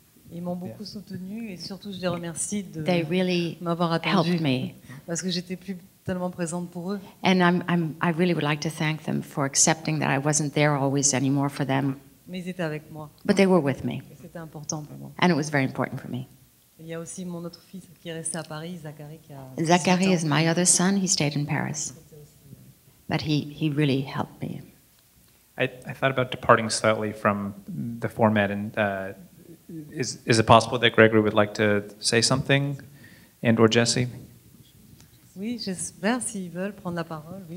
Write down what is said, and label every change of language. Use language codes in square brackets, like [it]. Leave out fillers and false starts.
[fr] Ils m'ont beaucoup soutenu, et surtout je les remercie de [en] they really [fr] m'avoir attendu. [en] Helped me. [fr] Parce que j'étais plus tellement présente pour eux. [en] And I really would like to thank them for accepting that I wasn't there always anymore for them. [fr] Mais ils étaient avec moi. [en] But they were with me. [fr] Et c'était important pour moi. [en] And it was very important for me. [fr] Il y a aussi mon autre fils qui est resté à Paris, Zachary, qui a. [en] Zachary is my other son. He stayed in Paris, but he really helped me. I thought about departing slightly from the format, and is it possible that Gregory would like to say something, and or Jesse? [fr] Oui, j'espère s'ils veulent prendre la parole. Oui,